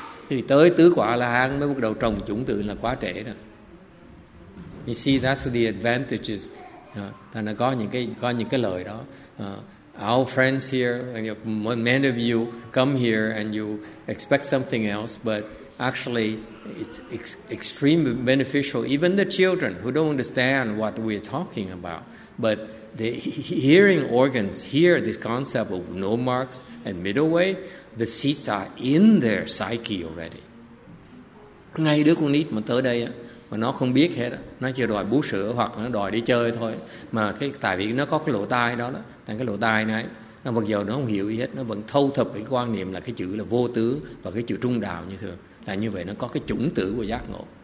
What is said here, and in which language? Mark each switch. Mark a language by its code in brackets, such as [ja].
[vi] Thì tới tứ quả là hàng mới bắt đầu trồng chủng tử là quá trễ rồi. [en] You see, that's the advantages. [vi] Thành ra có những cái lời đó. [en] Our friends here, many of you come here and you expect something else, but actually it's extremely beneficial. Even the children who don't understand what we're talking about, but the hearing organs hear this concept of no marks and middle way, the seeds are in their psyche already. [vi] Ngay đứa con nít mà tới đây á, mà nó không biết hết á, nó chỉ đòi bú sữa hoặc nó đòi đi chơi thôi. Mà cái tại vì nó có cái lỗ tai đó, tại cái lỗ tai này, nó mặc dù nó không hiểu gì hết, nó vẫn thâu thập cái quan niệm là cái chữ là vô tướng và cái chữ trung đạo như thường. Là như vậy nó có cái chủng tử của giác ngộ.